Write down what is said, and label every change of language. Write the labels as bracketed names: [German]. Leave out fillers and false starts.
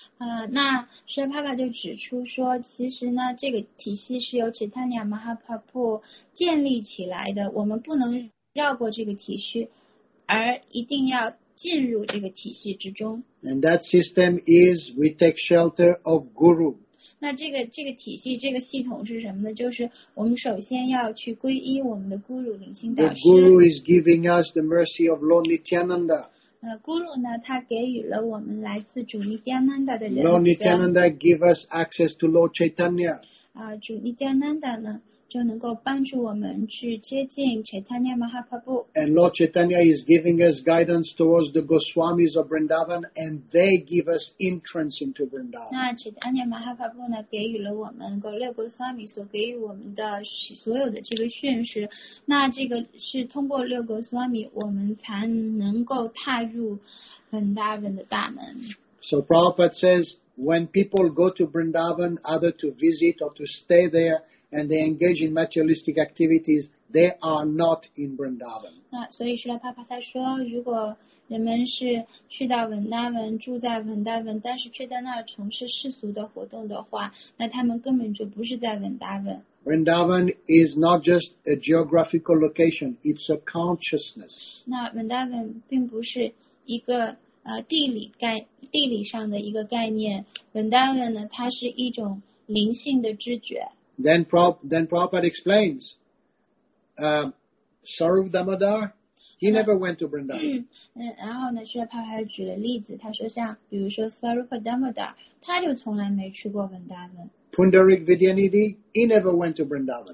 [Chinese] 那舍爸爸就指出说，其实呢，这个体系是由 Chaitanya Mahaprabhu 建立起来的，我们不能绕过这个体系，而一定要进入这个体系之中。 [English] And that system is we take shelter of Guru. [Chinese] 那这个体系，这个系统是什么呢？就是我们首先要去皈依我们的 Guru 灵性大师。 [English] The Guru is giving us the mercy of Lord Nityananda. [Chinese] Guru 呢，他给予了我们来自主尼迦南达的人。 [English] Lord Nityananda give us access to Lord Chaitanya. [Chinese] 主尼迦南达呢，就能够帮助我们去接近 Chaitanya Mahaprabhu. [English] And Lord Chaitanya is giving us guidance towards the Goswamis of Vrindavan, and they give us entrance into Vrindavan. [Chinese] 那 Chaitanya Mahaprabhu 呢，给予了我们六 Goswami 所给予我们的所有的这个训示，那这个是通过六 Goswami 我们才能够踏入 Vrindavan 的大门。 [English] So Prabhupada says, when people go to Vrindavan, either to visit or to stay there,And they engage in materialistic activities. They are not in Vrindavan. [Chinese] 所以Srila Prabhupada他说，如果人们是去到文达文，住在文达文，但是却在那儿从事世俗的活动的话，那他们根本就不是在文达文。 [English] Vrindavan is not just a geographical location; it's a consciousness. [Chinese] 那文达文并不是一个地理上的一个概念。文达文呢，它是一种灵性的知觉。 [English] Then Prabhupada explains, Sarv Damodar, he never went to Vrindavan. [Chinese] 然后呢，这他还举了例子，他说像比如说 Swarupa Damodar, 他就从来没去过 Vrindavan. [English] Pundarik Vidyanidhi, he never went to Vrindavan.